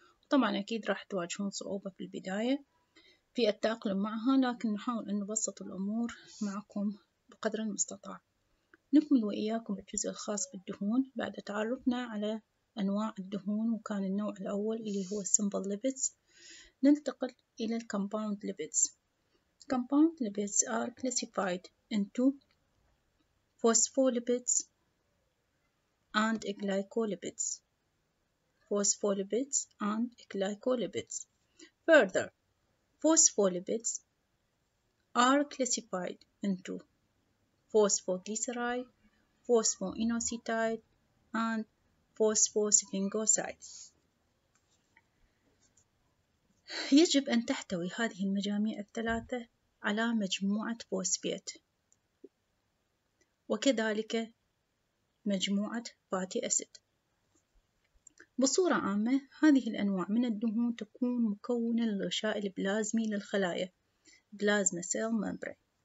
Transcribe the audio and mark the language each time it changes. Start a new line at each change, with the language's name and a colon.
Arabic: طبعاً أكيد راح تواجهون صعوبة في البداية في التأقلم معها، لكن نحاول أن نبسط الأمور معكم بقدر المستطاع. نكمل وإياكم الجزء الخاص بالدهون بعد تعرفنا على أنواع الدهون، وكان النوع الأول اللي هو Simple Lipids. ننتقل إلى Compound Lipids.
English: Compound Lipids are classified into Phospholipids and Glycolipids. Phospholipids and Glycolipids. Further, Phospholipids are classified into Phosphoglyceride, Phosphoinositide, and Phosphosphingosides.
Arabic: يجب أن تحتوي هذه المجاميع الثلاثة على مجموعة فوسفيت وكذلك مجموعة فاتي أسيد. بصورة عامة، هذه الأنواع من الدهون تكون مكونة للغشاء البلازمي للخلايا بلازما سيل ممبرين.